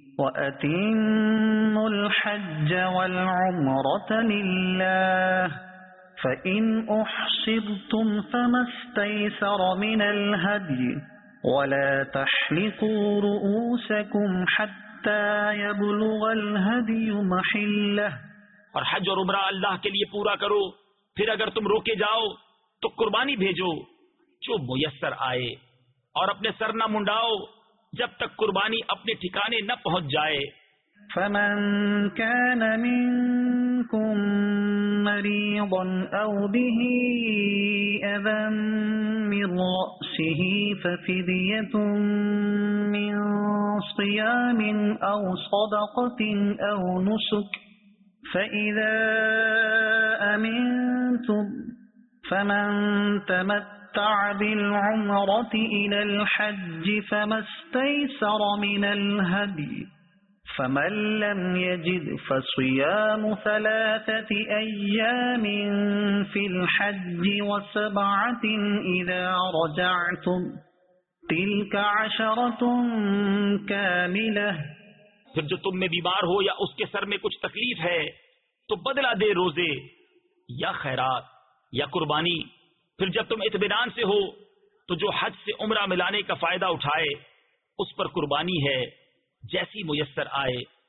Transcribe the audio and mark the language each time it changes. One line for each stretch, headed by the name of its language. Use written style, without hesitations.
Arabic: وَأَتِمُّوا الْحَجَّ وَالْعُمْرَةَ لِلَّهِ فَإِنْ أُحْصِرْتُمْ فَمَا اسْتَيْسَرَ مِنَ الْهَدْيِ ولا تحلقوا رؤوسكم حتى يبلغ الهدي محله.
Urdu: اور حج اور عمرہ اللہ کے لیے پورا کرو، پھر اگر تم روکے جاؤ تو قربانی بھیجو جو میسر آئے، اور اپنے سر نہ منڈاؤ جب تک قربانی اپنے ٹھکانے نہ پہنچ جائے.
Arabic: فمن كان منكم مريضا او به اذى من رأسه ففدية من صيام او صدقة او نسك فاذا امنتم فمن تمتع بالعمرة الى الحج فما استيسر من الهدي فمن لم يجد فصيام ثلاثة أيام في الحج وسبعة إذا رجعتم تلك عشرة كاملة.
Urdu: پھر جو تم میں بیمار ہو یا اس کے سر میں کچھ تکلیف ہے تو بدلہ دے روزے یا خیرات یا قربانی. پھر جب تم اطمینان سے ہو تو جو حج سے عمرہ ملانے کا فائدہ اٹھائے اس پر قربانی ہے جیسی میسر آئے.